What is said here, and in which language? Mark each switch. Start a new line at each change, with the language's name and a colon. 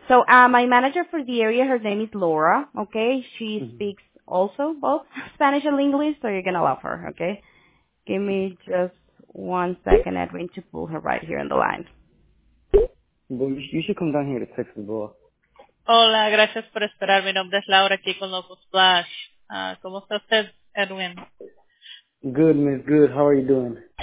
English: So my manager for the area, her name is Laura, okay? She speaks also both Spanish and English, so you're going to love her, okay? Give me just 1 second, Edwin, to pull her right here in the line. Well, you should come down here to Texas, bro.
Spanish: Hola, gracias por esperar. Mi nombre es Laura aquí con Loco Splash. ¿Cómo está usted, Edwin?
English: Good, miss. Good. How are you doing?